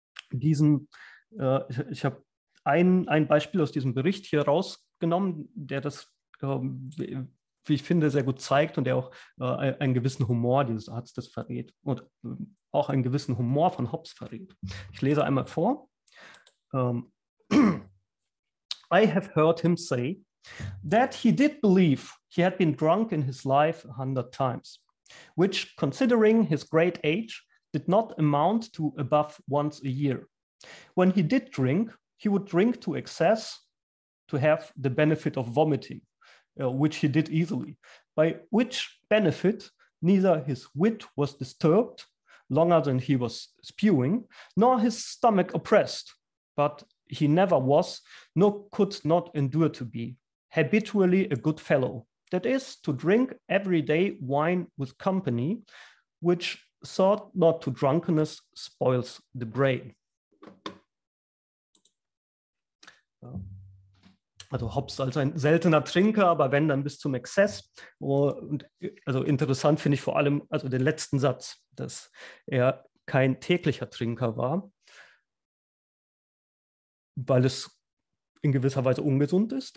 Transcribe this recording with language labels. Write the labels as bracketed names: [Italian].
[German] Ich habe ein Beispiel aus diesem Bericht hier rausgenommen, der das, wie ich finde, sehr gut zeigt und der auch einen gewissen Humor dieses Arztes verrät und auch einen gewissen Humor von Hobbes verrät. Ich lese einmal vor. [English] I have heard him say that he did believe he had been drunk in his life 100 times, which, considering his great age, did not amount to above once a year. When he did drink, he would drink to excess to have the benefit of vomiting, which he did easily, by which benefit neither his wit was disturbed longer than he was spewing, nor his stomach oppressed, but he never was, nor could not endure to be, habitually a good fellow. That is, to drink every day wine with company, which sought not to drunkenness spoils the brain. [German] Also Hobbes als ein seltener Trinker, aber wenn, dann bis zum Exzess. Und also interessant finde ich vor allem also den letzten Satz, dass er kein täglicher Trinker war, weil es in gewisser Weise ungesund ist.